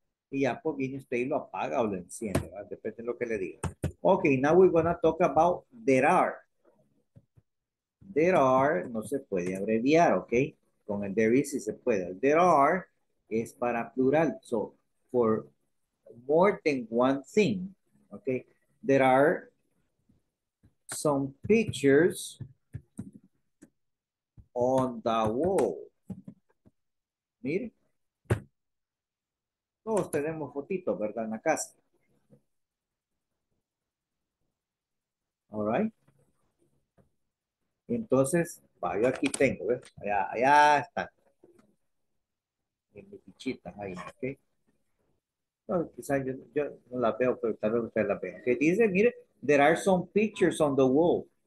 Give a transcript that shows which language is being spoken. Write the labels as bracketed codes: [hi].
[es] Y ya, pues viene usted y lo apaga o lo enciende, ¿verdad? Depende de lo que le diga. [en] Okay, now we're going to talk about there are. [es] There are, no se puede abreviar, okay? Con el there is, sí se puede. [en] There are [es] es para plural. [en] So, for more than one thing, okay? There are some pictures on the wall. [es] Mire. Todos tenemos fotitos, ¿verdad? En la casa. [en] All right. [es] Entonces, va, yo aquí tengo, ¿ves? Allá está. En mi pichita, ahí, ¿ok? No, quizás yo no la veo, pero tal vez ustedes la vean. Que dice, mire, [en] there are some pictures on the wall.